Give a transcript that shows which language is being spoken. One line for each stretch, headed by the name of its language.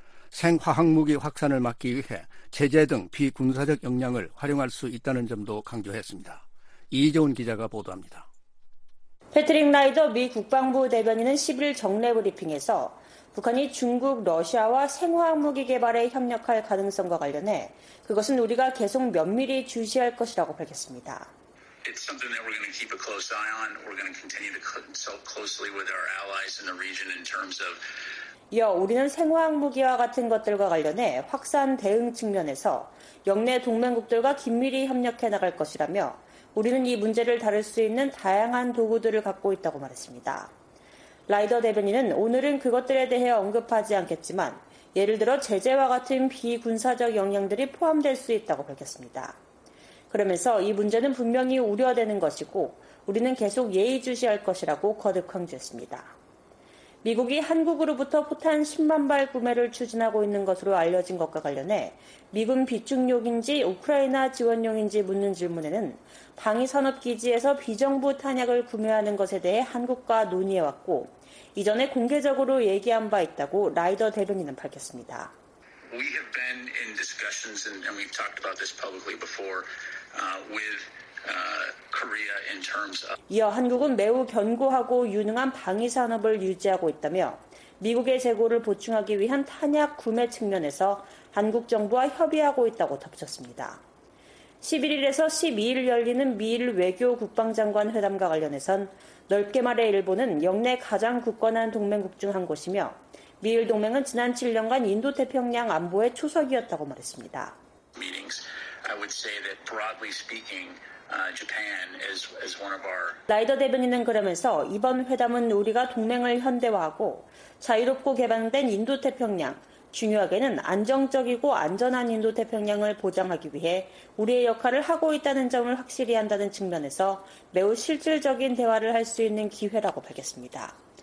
Korean: 생화학무기 확산을 막기 위해 제재 등 비군사적 역량을 활용할 수 있다는 점도 강조했습니다. 이재훈 기자가 보도합니다. 패트릭 라이더 미 국방부 대변인은 11일 정례 브리핑에서 북한이 중국, 러시아와 생화학무기 개발에 협력할 가능성과 관련해 그것은 우리가 계속 면밀히 주시할 것이라고 밝혔습니다.
English: It's something that we're going to keep a close eye on. We're going to continue to consult closely with our allies in the region in terms of
Korean: 이어 우리는 생화학무기와 같은 것들과 관련해 확산 대응 측면에서 역내 동맹국들과 긴밀히 협력해 나갈 것이라며 우리는 이 문제를 다룰 수 있는 다양한 도구들을 갖고 있다고 말했습니다. 라이더 대변인은 오늘은 그것들에 대해 언급하지 않겠지만 예를 들어 제재와 같은 비군사적 영향들이 포함될 수 있다고 밝혔습니다. 그러면서 이 문제는 분명히 우려되는 것이고 우리는 계속 예의주시할 것이라고 거듭 강조했습니다. 미국이 한국으로부터 포탄 10만 발 구매를 추진하고 있는 것으로 알려진 것과 관련해 미군 비축용인지 우크라이나 지원용인지 묻는 질문에는 방위산업기지에서 비정부 탄약을 구매하는 것에 대해 한국과 논의해왔고 이전에 공개적으로 얘기한 바 있다고 라이더 대변인은 밝혔습니다.
English: We have been in discussions and we've talked about this publicly before with Korea in terms of
Korean: 이어 한국은 매우 견고하고 유능한 방위 산업을 유지하고 있다며 미국의 재고를 보충하기 위한 탄약 구매 측면에서 한국 정부와 협의하고 있다고 덧붙였습니다. 11일에서 12일 열리는 미일 외교 국방장관 회담과 관련해선 넓게 말해 일본은 역내 가장 굳건한 동맹국 중 한 곳이며 미일 동맹은 지난 7년간 인도태평양 안보의 초석이었다고 말했습니다.
English: Meetings, I would say that broadly speaking, Japan is one of our
Korean: 라이더 대변인은 그러면서 이번 회담은 우리가 동맹을 현대화하고 자유롭고 개방된 인도태평양, 중요하게는 안정적이고 안전한 인도태평양을 보장하기 위해 우리의 역할을 하고 있다는 점을 확실히 한다는 측면에서 매우 실질적인 대화를 할 수 있는 기회라고 밝혔습니다.